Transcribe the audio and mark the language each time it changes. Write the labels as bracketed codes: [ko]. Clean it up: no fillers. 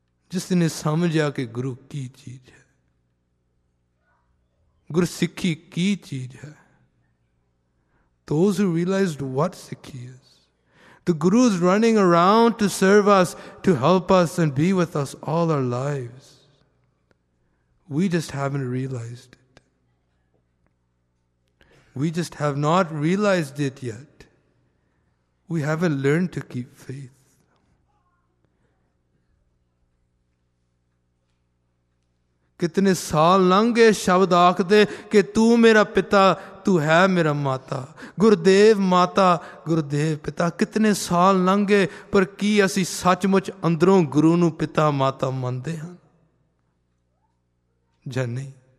[pa] ਜਿਸ ਨੇ ਸਮਝਿਆ ਕਿ ਗੁਰੂ ਕੀ ਚੀਜ਼ ਹੈ, [en] ਗੁਰਸਿੱਖੀ ਕੀ ਚੀਜ਼ ਹੈ, those who realized what Sikhi is, the guru is running around to serve us, to help us and be with us all our lives. We just haven't realized it. We just have not realized it yet. We haven't learned to keep faith. [pa] Kitne saal lange shabd aakde ke tu mera pita, ਤੂੰ ਹੈ ਮੇਰਾ ਮਾਤਾ, ਗੁਰਦੇਵ ਮਾਤਾ ਗੁਰਦੇਵ ਪਿਤਾ, ਕਿਤਨੇ ਸਾਲ ਲੰਘ ਗਏ ਪਰ ਕੀ ਅਸੀਂ ਸੱਚਮੁੱਚ ਅੰਦਰੋਂ ਗੁਰੂ ਨੂੰ ਪਿਤਾ ਮਾਤਾ ਮੰਨਦੇ ਹਾਂ ਜਾਂ ਨਹੀਂ?